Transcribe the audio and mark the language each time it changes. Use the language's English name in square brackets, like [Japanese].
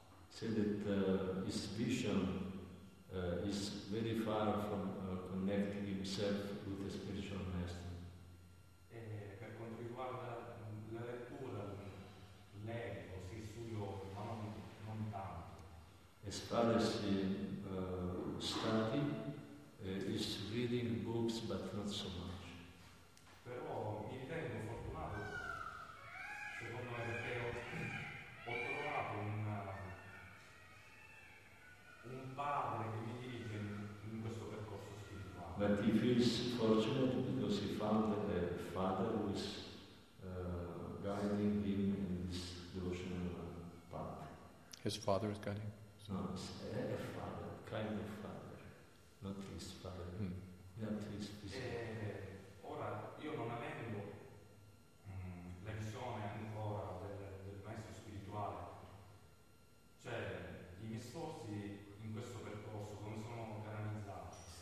[English] Say that his vision is very far from connecting himself with the spiritual master. [Italian] E per quanto riguarda la lettura, leggo, si studio, ma non tanto. [English] As far as he study, is reading books, but not so much. [Italian] Però mi ritengo fortunato, secondo me, perché ho trovato un padre che mi dirige in questo percorso spirituale. [English] But he feels fortunate because he found a father who is guiding him in this devotional path. His father is guiding? No, it's a father, kind of father, not his father, not his physical. [Italian] Ora, io non avendo la visione ancora del maestro spirituale, cioè i miei sforzi in questo percorso come sono canalizzati?